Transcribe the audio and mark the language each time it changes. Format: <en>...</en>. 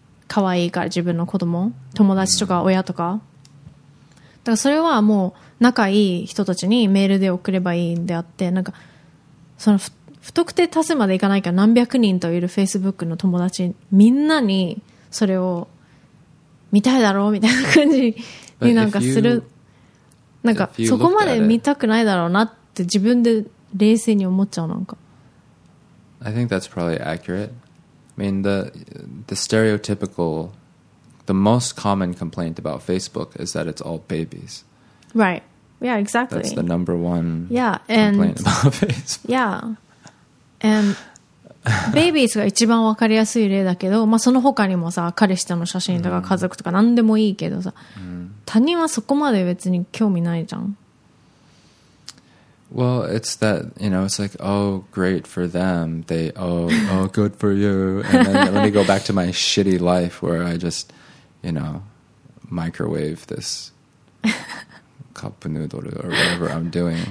<ja>かわいいから自分の子供、友達とか親とか。だからそれはもう仲いい人たちにメールで送ればいいんであってなんかその不特定多数までいかないけど何百人といる Facebook の友達みんなにそれを見たいだろうみたいな感じになんかする</ja> <en>But if you,</en> <ja>なんかそこまで見たくないだろうなって自分で冷静に思っちゃうなんか</ja> <en>I think that's probably accurate I mean the stereotypical the most common complaint about Facebook is that it's all babies. Right. Yeah, exactly. That's the number one complaint about Facebook. Yeah.</en> <ja>And babies が一番わかりやすい例だけど、まあその他にもさ、彼氏との写真とか家族とか何でもいいけどさ、他人はそこまで別に興味ないじゃん。</ja> <en>Well, it's that, you know, it's like, oh, great for them. They, oh, good for you. And then let me go back to my shitty life where I just, you know, microwave this cup noodle or whatever I'm doing.</en>